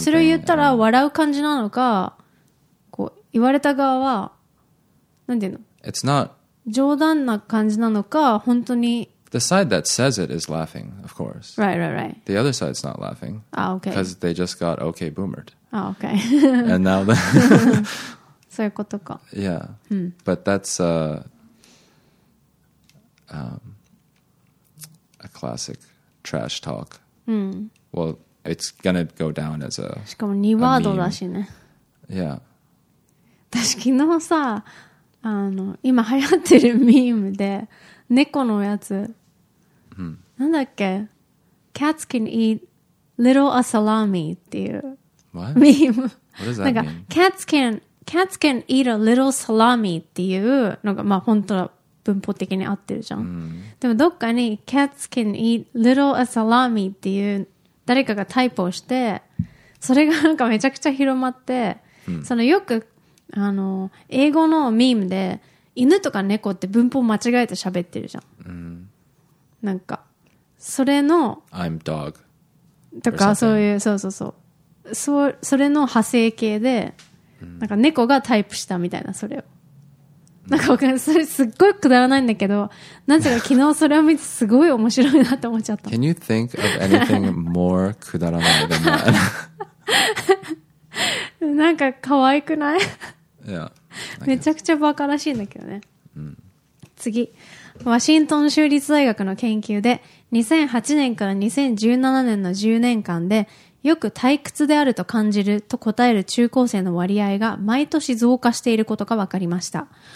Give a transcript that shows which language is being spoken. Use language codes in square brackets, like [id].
[ja] それを言ったら笑う感じなのか、こう言われた側は、何て言うの？ [en] It's not. [ja] 冗談な感じなのか、本当に。 [en] The side that says it is laughing, of course. Right, right, right. The other side's not laughing. Ah, okay. Because they just got okay boomered. Ah, okay. And now the... [ja] そういうことか。 [en] Yeah.、 Hmm. But that's a classic trash talk.、 Hmm. Well, it's going to go down as a [ja] しかも2ワードだしね。 [en] Yeah. [ja] 私昨日さ、今流行ってるミームで、猫のやつ、 mm. なんだっけ [en] Cats can eat little a salami [ja] っていう [en] What? [ja] ミーム [en] What does that mean? Cats can eat a little salami [ja] っていうのが、まあ、本当は文法的に合ってるじゃん、 mm. でもどっかに [en] Cats can eat little a salami [ja] っていう誰かがタイプをしてそれがなんかめちゃくちゃ広まって、 mm. そのよく英語のミームで犬とか猫って文法間違えて喋ってるじゃん、 mm. なんかそれの [en] I'm dog [ja] とかそういうそうそうそう それの派生系で、mm. なんか猫がタイプしたみたいなそれを、mm. なんか分かんないそれすっごいくだらないんだけどなぜか昨日それを見てすごい面白いなって思っちゃった [en] Can you think of anything more [ja] くだらない [en] than that? [ja] なんか可愛くない [en] Yeah. [ja] めちゃくちゃバカらしいんだけどね、うん、次ワシントン州立大学の研究で2008年から2017年の10年間でよく退屈であると感じると答える中高生の割合が毎年増加していることが分かりました。